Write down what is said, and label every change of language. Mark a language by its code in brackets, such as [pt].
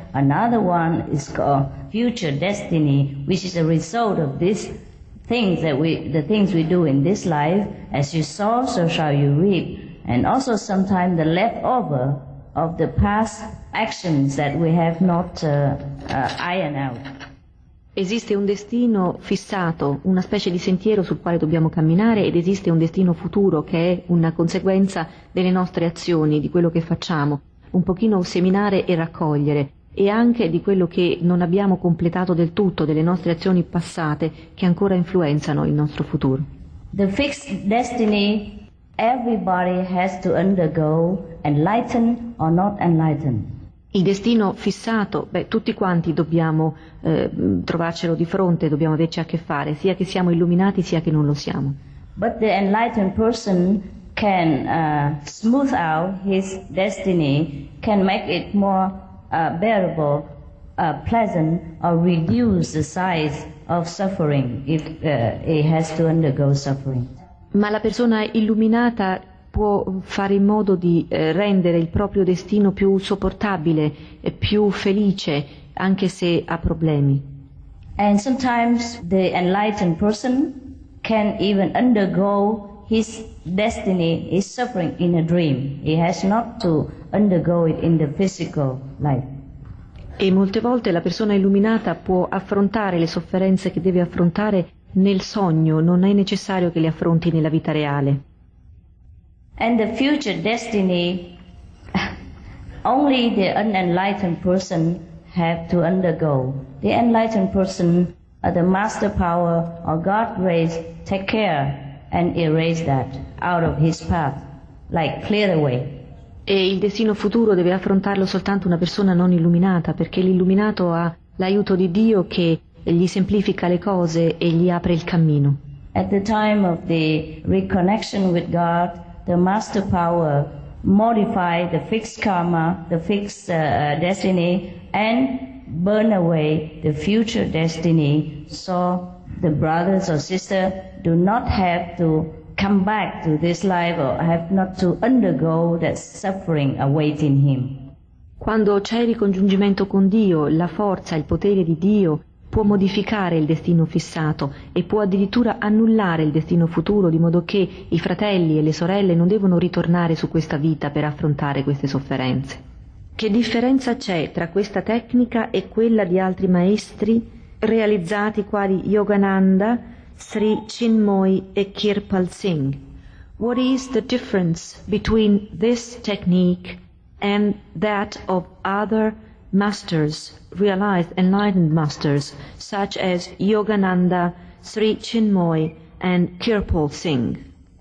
[en] Another one is called future destiny, which is a result of these things that we do in this life. As you sow, so shall you reap. And also sometimes the leftover of the past actions that we have not ironed out. [it] Esiste un destino fissato, una specie di sentiero sul quale dobbiamo camminare ed esiste un destino futuro che è una conseguenza delle nostre azioni, di quello che facciamo, un pochino seminare e raccogliere e anche di quello che non abbiamo completato del tutto, delle nostre azioni passate che ancora influenzano il nostro futuro. [en] The fixed destiny, everybody has to undergo, enlightened or not enlightened. [it] Il destino fissato, beh, tutti quanti dobbiamo trovarcelo di fronte, dobbiamo averci a che fare, sia che siamo illuminati, sia che non lo siamo. [en] But the enlightened person can smooth out his destiny, can make it more bearable, pleasant, or reduce the size of suffering if it has to undergo suffering. [it] Ma la persona illuminata può fare in modo di rendere il proprio destino più sopportabile e più felice anche se ha problemi. [en] And sometimes the enlightened person can even undergo his destiny, his suffering in a dream. He has not to undergo it in the physical life. [it] E molte volte la persona illuminata può affrontare le sofferenze che deve affrontare nel sogno, non è necessario che le affronti nella vita reale. [en] And the future destiny, only the unenlightened person have to undergo. The enlightened person, the master power or God grace, take care and erase that out of his path, like clear away. [it] E il destino futuro deve affrontarlo soltanto una persona non illuminata, perché l'illuminato ha l'aiuto di Dio che gli semplifica le cose e gli apre il cammino. [en] At the time of the reconnection with God, the master power modify the fixed karma, the fixed destiny, and burn away the future destiny, so the brothers or sisters do not have to come back to this life or have not to undergo that suffering awaiting him. [it] Quando c'è il ricongiungimento con Dio, la forza, il potere di Dio può modificare il destino fissato e può addirittura annullare il destino futuro, di modo che i fratelli e le sorelle non devono ritornare su questa vita per affrontare queste sofferenze. Che differenza c'è tra questa tecnica e quella di altri maestri realizzati quali Yogananda, Sri Chinmoy e Kirpal Singh? [en] What is the difference between this technique and that of other masters, realized enlightened masters, such as Yogananda, Sri Chinmoy and Kirpal Singh?